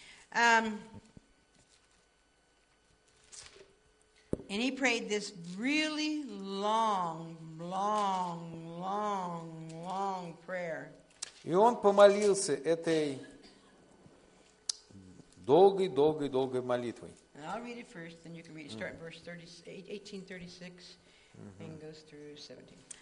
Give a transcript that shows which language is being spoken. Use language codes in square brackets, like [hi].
[en] And he prayed this really long prayer. [ru] И он помолился этой долгой молитвой. [en] And I'll read it first, then you can read it. Start at verse 18:36 and goes through 17.